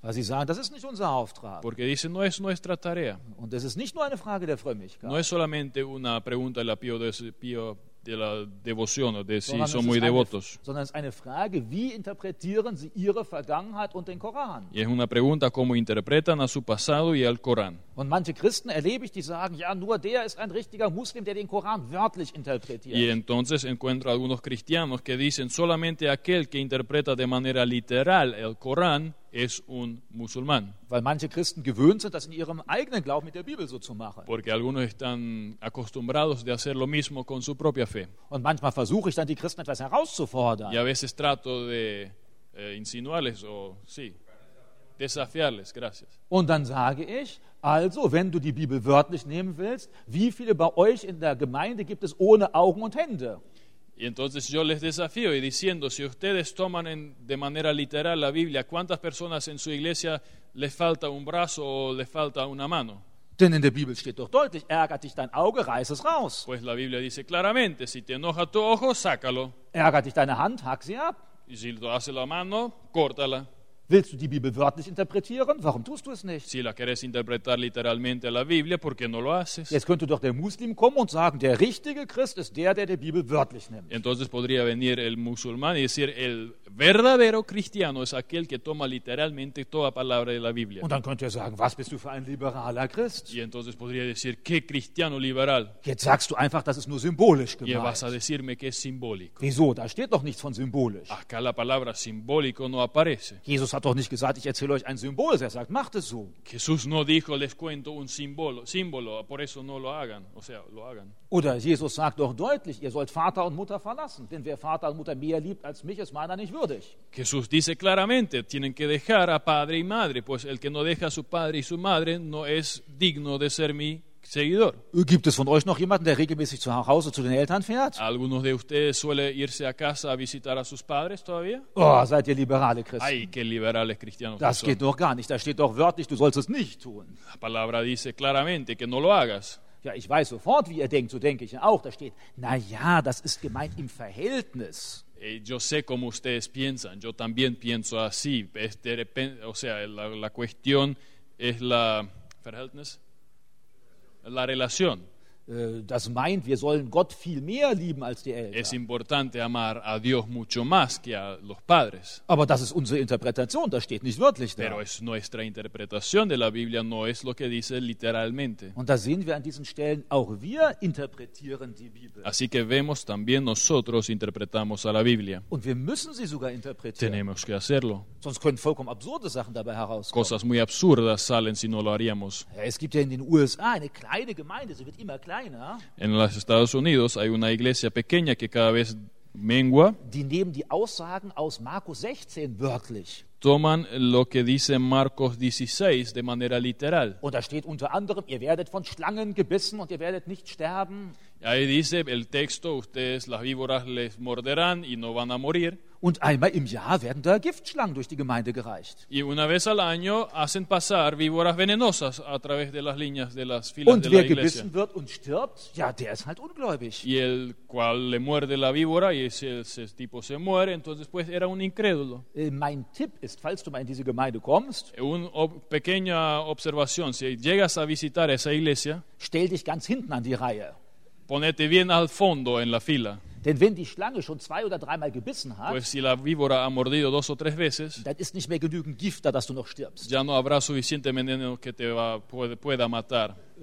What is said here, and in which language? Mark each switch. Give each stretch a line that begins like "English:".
German: Weil sie sagen, das ist nicht unser Auftrag.
Spanish: Porque dicen, no es nuestra tarea.
German: Und es ist nicht nur eine Frage der Frömmigkeit.
Spanish: No es solamente una pregunta de la de la devoción o de si son muy devotos.
German: Sondern es ist eine Frage, wie interpretieren sie ihre Vergangenheit und den Koran.
Spanish: Y es una pregunta cómo interpretan a su pasado y al Corán.
German: Und manche Christen erlebe ich, die sagen, ja, nur der ist ein richtiger Muslim, der den Koran wörtlich interpretiert.
Spanish: Y entonces encuentro algunos cristianos que dicen, solamente aquel que interpreta de manera literal el Corán es un musulmán.
German: Weil manche Christen gewöhnt sind, das in ihrem eigenen Glauben mit der Bibel so zu machen.
Spanish: Porque algunos están acostumbrados de hacer lo mismo con su propia fe.
German: Und manchmal versuche ich dann, die Christen etwas herauszufordern.
Spanish: Y a veces trato de insinuarles o sí, desafiarles, gracias.
German: Und dann sage ich, also, wenn du die Bibel wörtlich nehmen willst, wie viele bei euch in der Gemeinde gibt es ohne Augen und Hände?
Spanish: Y entonces yo les desafío y diciendo, si ustedes toman de manera literal la Biblia, ¿cuántas personas en su iglesia les falta un brazo o les falta una mano?
German: Denn in der Bibel steht doch deutlich, ärgert dich dein Auge, reiß es raus.
Spanish: Pues la Biblia dice claramente, si te enoja tu ojo, sácalo.
German: Ärgert dich deine Hand, hack sie ab.
Spanish: Y si lo hace la mano, córtala.
German: Willst du die Bibel wörtlich interpretieren? Warum tust du es nicht?
Spanish: Si la quieres interpretar literalmente la Biblia, ¿por qué no lo haces?
German: Jetzt könnte doch der Muslim kommen und sagen, der richtige Christ ist der, der die Bibel wörtlich nimmt.
Spanish: Entonces podría venir el musulmán y decir, el verdadero cristiano es aquel que toma literalmente toda palabra de la Biblia.
German: Und dann könnte er sagen, was bist du für ein liberaler Christ?
Spanish: Y entonces podría decir, ¿qué cristiano liberal?
German: Jetzt sagst du einfach, das ist nur symbolisch gemeint.
Spanish: Y vas a decirme que es simbólico.
German: Wieso? Da steht doch nichts von symbolisch.
Spanish: Acá la palabra simbólico no aparece.
German: Jesus hat doch nicht gesagt, ich erzähle euch ein Symbol. Er sagt, macht es so.
Spanish: Jesús no dijo, les cuento un símbolo, por eso no lo hagan. O sea, lo hagan.
German: Oder Jesus sagt doch deutlich, ihr sollt Vater und Mutter verlassen, denn wer Vater und Mutter mehr liebt als mich, ist meiner nicht würdig.
Spanish: Jesús dice claramente, tienen que dejar a padre y madre, pues el que no deja a su padre y su madre no es digno de ser mi seguidor.
German: Gibt es von euch noch jemanden, der regelmäßig zu Hause zu den Eltern fährt?
Spanish: Algunos de ustedes suele irse a casa a visitar a sus padres todavía?
German: Oh, seid ihr liberale Christen.
Spanish: Ay, qué liberales cristianos.
German: Das geht doch gar nicht. Da steht doch wörtlich, du sollst es nicht tun.
Spanish: La palabra dice claramente que no lo hagas.
German: Ja, ich weiß sofort, wie ihr denkt, so denke ich auch. Da steht, na ja, das ist gemeint im Verhältnis.
Spanish: Yo sé cómo ustedes piensan. Yo también pienso así. De repente, o sea, la cuestión es la Verhältnis. La relación.
German: Das meint, wir sollen Gott viel mehr lieben als die Eltern.
Spanish: Es importante amar a Dios mucho más que a los padres.
German: Aber das ist unsere Interpretation, das steht nicht wörtlich da.
Spanish: Pero es nuestra interpretación de la Biblia, no es lo que dice literalmente.
German: Und da sehen wir an diesen Stellen, auch wir interpretieren die Bibel.
Spanish: Así que vemos, también nosotros interpretamos a la Biblia.
German: Und wir müssen sie sogar interpretieren.
Spanish: Tenemos que hacerlo.
German: Sonst können vollkommen absurde Sachen dabei herauskommen.
Spanish: Cosas muy absurdas salen si no lo haríamos.
German: Es gibt ja in den USA eine kleine Gemeinde, sie wird immer kleiner.
Spanish: En los Estados Unidos hay una iglesia pequeña que cada vez mengua.
German: Die nehmen die Aussagen aus Markus 16 wörtlich.
Spanish: Toman lo que dice Marcos 16 de manera literal.
German: Und da steht unter anderem, ihr werdet von Schlangen gebissen und ihr werdet nicht sterben.
Spanish: Ahí dice el texto, ustedes las víboras les morderán y no van a morir.
German: Und einmal im Jahr werden da Giftschlangen durch die Gemeinde gereicht.
Spanish: Y una vez al año hacen pasar víboras venenosas a través de las líneas de las filas
German: und
Spanish: de la iglesia.
German: Und wer gebissen wird und stirbt, ja, der ist halt ungläubig.
Spanish: Y el cual le muerde la víbora y ese tipo se muere, entonces pues era un incrédulo.
German: Mein Tipp ist, falls du mal in diese Gemeinde kommst,
Spanish: pequeña observación, si llegas a visitar esa iglesia,
German: stell dich ganz hinten an die Reihe.
Spanish: Ponete bien al fondo en la fila.
German: Denn wenn die Schlange schon zwei oder dreimal gebissen hat,
Spanish: pues si la víbora ha mordido dos o tres veces,
German: dann ist nicht mehr genügend Gift da, dass du noch stirbst.
Spanish: Ya no habrá suficiente veneno que te pueda matar.